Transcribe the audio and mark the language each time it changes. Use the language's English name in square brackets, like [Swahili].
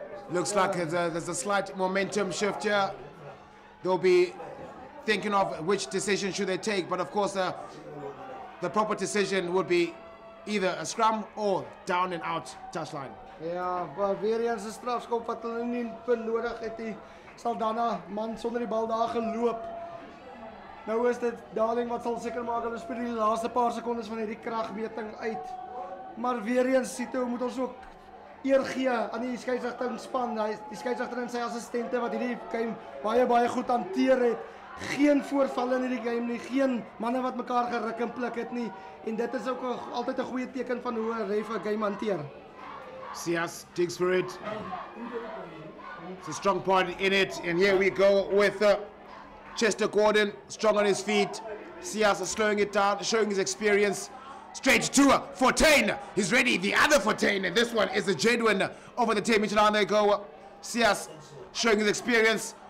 [English] Looks like there's a slight momentum shift here. They'll be thinking of which decision should they take, but of course the proper decision would be either a scrum or down and out touchline. [Afrikaans] Yeah, but weer eens 'n strafskop wat hulle nie benodig het nie. Saldanha man sonder die bal daar geloop. Nou is dit Darling wat sal seker maak hulle speel die laaste paar sekondes van hierdie kragmeting uit. Maar weer eens Sito moet ons ook eer gee aan die skeidsregter span. Die skeidsregter en sy assistente wat hierdie game baie baie goed hanteer het. Geen voorvalle in hierdie game nie, geen manne wat mekaar geruk en pluk het nie en dit is ook altyd 'n goeie teken van hoe 'n ref 'n game hanteer. [English] Sias digs for it. It's a strong point in it and here we go with Chester Gordon, strong on his feet. Sias slowing it down, showing his experience. Straight to Fortein. He's ready. The other Fortein. This one is a genuine over the 10 meter line. They go. Sias showing his experience.